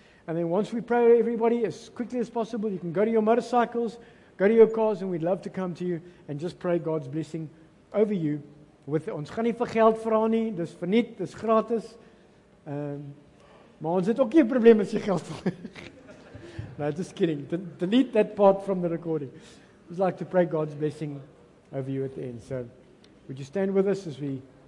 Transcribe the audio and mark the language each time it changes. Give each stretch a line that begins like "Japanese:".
English: And then once we pray to everybody, as quickly as possible, you can go to your motorcycles, go to your cars, and we'd love to come to you and just pray God's blessing over you.
Afrikaans: With ons gaan nie vir geld vra nie, dis vir niks, dis gratis. Maar ons het ook nie 'n probleem as jy geld wil.
English: No, just kidding. Delete that part from the recording. We'd like to pray God's blessing over you at the end. So, would you stand with us as we